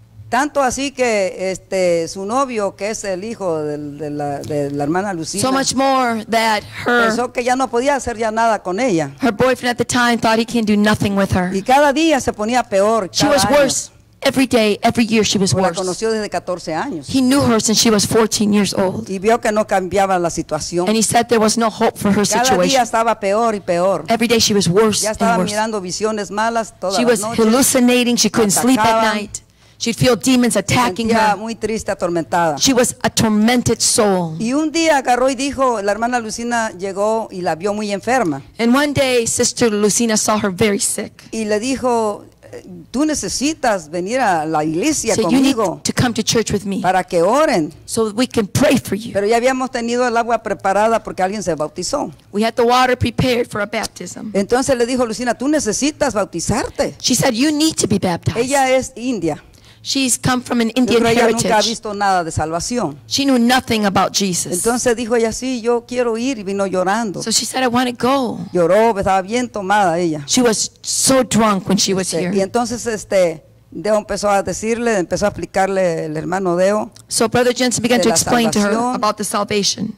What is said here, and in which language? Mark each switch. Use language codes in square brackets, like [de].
[es] Tanto así que este su novio, que es el hijo de la hermana Lucina, [en] so much more that her, [es] pensó que ya no podía hacer ya nada con ella. [en] Her boyfriend at the time thought he can do nothing with her. [es] Y cada día se ponía peor. [en] She was worse every day, every year she was worse. [es] La conoció desde 14 años. [en] He knew her since she was 14 years old. [es] Y vio que no cambiaba la situación. [en] And he said there was no hope for her [es] cada [en] situation. [es] Cada día estaba peor y peor. [en] Every day she was worse. [es] Ya estaba [en] and worse. [es] Mirando visiones malas toda [en] she [es] la noche. [en] She was hallucinating. She couldn't sleep at night. She'd feel demons attacking her. [es] Muy triste, atormentada. [en] She was a tormented soul. [es] Y un día agarró y dijo, la hermana Lucina llegó y la vio muy enferma. [en] And one day, Sister Lucina saw her very sick. [es] Y le dijo, tú necesitas venir a la iglesia conmigo. [en] So you need to come to church with me. [es] Para que oren. [en] So we can pray for you. [es] Pero ya habíamos tenido el agua preparada porque alguien se bautizó. [en] We had the water prepared for a baptism. [es] Entonces le dijo Lucina, tú necesitas bautizarte. [en] She said, you need to be baptized. [es] Ella es india. [en] She's come from an Indian [es] pero ella [en] heritage. [es] Nunca ha visto nada de salvación. [en] She knew nothing about Jesus. [es] Entonces dijo ella, sí, yo quiero ir, y vino llorando. [en] So she said, I want to go. [es] Lloró, estaba bien tomada ella. [en] She was so drunk when she was here. [es] Y entonces Deo empezó a decirle, empezó a explicarle el hermano Deo. [en] So Brother Jensen began to explain to her about the salvation.